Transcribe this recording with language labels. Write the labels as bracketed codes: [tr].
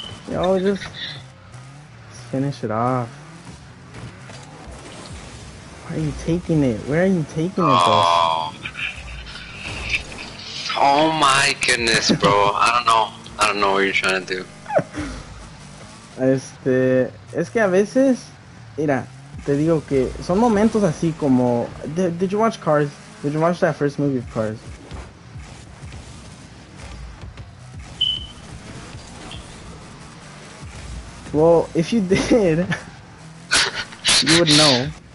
[en] Yo, just finish it off. Why are you taking it? Where are you taking it, bro? Oh my goodness, bro. I don't know what you're trying to do. [es] Es que a veces, mira, te digo que son momentos así como... [en] Did you watch Cars? Did you watch that first movie of Cars? Well, if you did, you would know.